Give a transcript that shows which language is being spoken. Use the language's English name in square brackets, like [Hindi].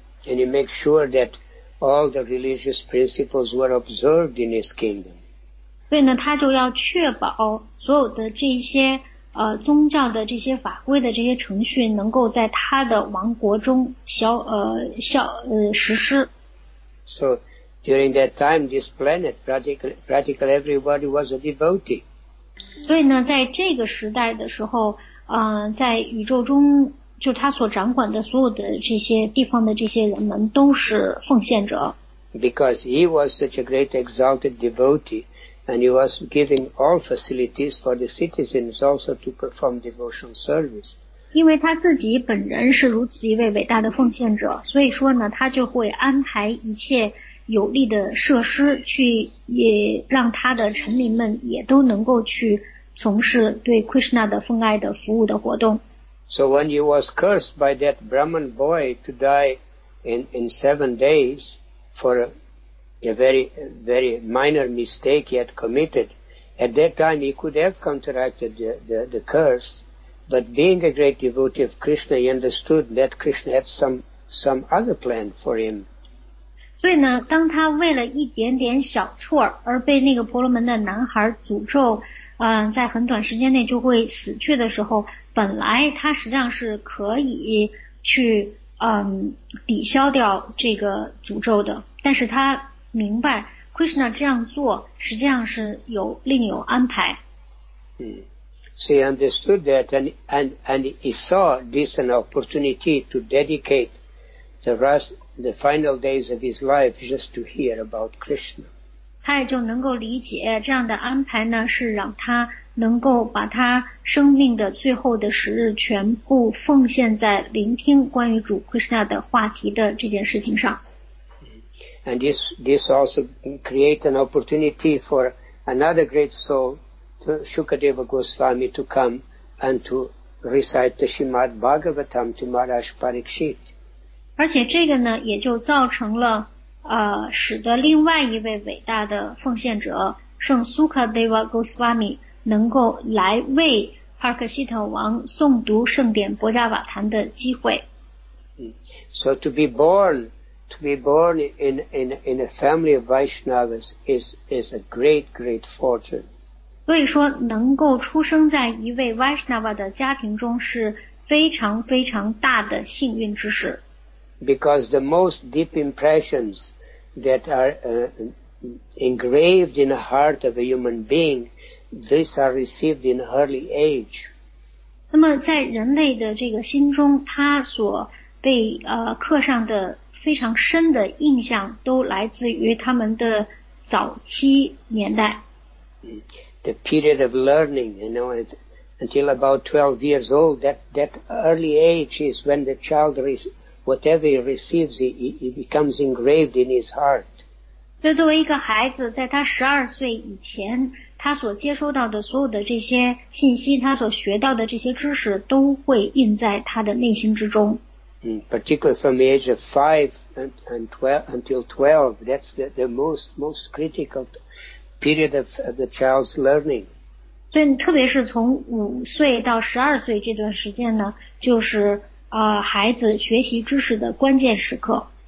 [English] And he makes sure that all the religious principles were observed in his kingdom. [Chinese] 所以呢，他就要确保所有的这些。宗教的这些法规的这些程序能够在他的王国中实施。 [English] So during that time, this planet practically everybody was a devotee. [Chinese] 所以呢，在这个时代的时候，在宇宙中，就他所掌管的所有的这些地方的这些人们都是奉献者。 [English] Because he was such a great exalted devotee. And he was giving all facilities for the citizens also to perform devotional service. [Chinese] 因为他自己本人是如此一位伟大的奉献者，所以说呢，他就会安排一切有力的设施，去也让他的臣民们也都能够去从事对 Krishna 的奉爱的服务的活动。 [English] So when he was cursed by that Brahmin boy to die in 7 days for a very, very minor mistake he had committed. At that time, he could have counteracted the curse, but being a great devotee of Krishna, he understood that Krishna had some other plan for him. [Chinese] 所以呢，当他为了一点点小错而被那个婆罗门的男孩诅咒，在很短时间内就会死去的时候，本来他实际上是可以去抵消掉这个诅咒的，但是他明白 Krishna 这样做实际上是有另有安排。 [English] So he understood that and he saw this an opportunity to dedicate the final days of his life just to hear about Krishna. [Chinese] 他也就能够理解这样的安排呢，是让他能够把他生命的最后的时日全部奉献在聆听关于主 Krishna 的话题的这件事情上。 [English] And this also create an opportunity for another great soul, Shukadeva Goswami, to come and to recite the Srimad Bhagavatam to Maharaj Pariksit. [Chinese] 而且这个呢，也就造成了使得另外一位伟大的奉献者圣 Sukadeva Goswami 能够来为帕克西特王诵读圣典博迦瓦坛的机会。 [English] So to be born. To be born in a family of Vaishnavas is a great, great fortune. [Chinese] 所以说能够出生在一位 Vaishnava 的家庭中是非常非常大的幸运之事。 [English] Because the most deep impressions that are engraved in the heart of a human being, these are received in early age. [Chinese] 那么在人类的这个心中，他所被刻上的非常深的印象都来自于他们的早期年代。 [English] The period of learning, you know, until about 12 years old, that early age is when the child receives whatever he receives, he becomes engraved in his heart. [Chinese] 所以作为一个孩子，在他12岁以前，他所接收到的所有的这些信息，他所学到的这些知识，都会印在他的内心之中。 [English] Particularly from the age of 5 and 12, until 12, that's the most critical period of the child's learning. [Chinese] 所以特别是从5岁到12岁这段时间呢，就是孩子学习知识的关键时刻。